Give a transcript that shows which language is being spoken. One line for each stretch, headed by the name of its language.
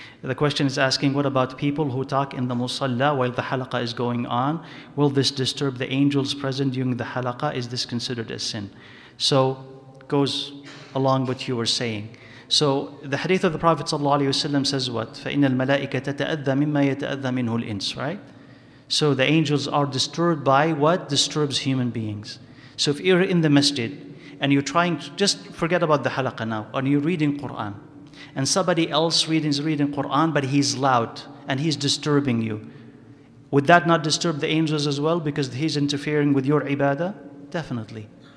English: The question is asking, what about people who talk in the musalla while the halaqah is going on? Will this disturb the angels present during the halaqah? Is this considered a sin? So goes along what you were saying. So the hadith of the Prophet ﷺ says what?
Arabic: فَإِنَّ الْمَلَائِكَةَ تَتَأَذَّى مِمَّا يَتَأَذَّى مِنْهُ الْإِنسِ,
English: right? So the angels are disturbed by what disturbs human beings. So if you're in the masjid and you're trying to just forget about the halaqa now, and you're reading Quran, and somebody else is reading Quran, but he's loud and he's disturbing you, would that not disturb the angels as well because he's interfering with your ibadah? Definitely.